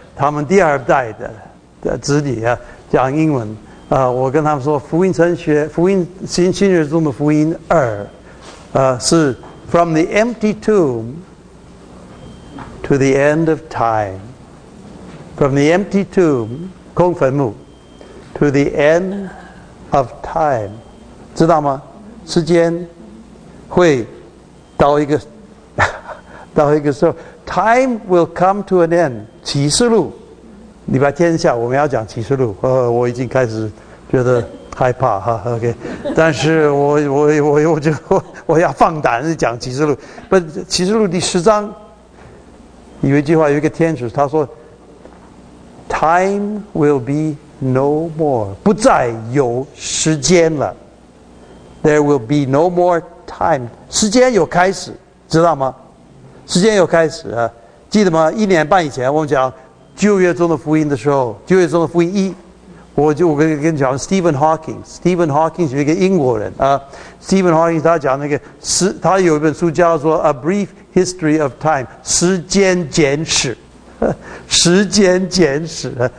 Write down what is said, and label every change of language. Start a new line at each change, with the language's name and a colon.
Chinese: 们第二代的子女啊讲英文啊，我跟他们说福音神学，福音新约中的福音二，是
English: from the empty tomb to the end of time，
Chinese: from the empty tomb 空坟墓 to the end of time， 知道吗？时间会到一个时候，
English: time will come to an end。
Chinese: 启示录礼拜天下我们要讲启示录，我已经开始觉得害怕哈 ，OK， 但是我要放胆讲启示录。不，启示录第十章有一句话，有一个天使他说 ：
English: “Time will be no more，
Chinese: 不再有时间了。
English: There will be no more time，
Chinese: 时间有开始，知道吗？时间有开始啊，记得吗？一年半以前我们讲。” 旧约中的福音的时候，旧约中的福音一，我跟你讲 ，Stephen Hawking 是一个英国人啊。 Stephen Hawking 他讲那个他有一本书叫做《A Brief History of Time》，时间简史，时间简史。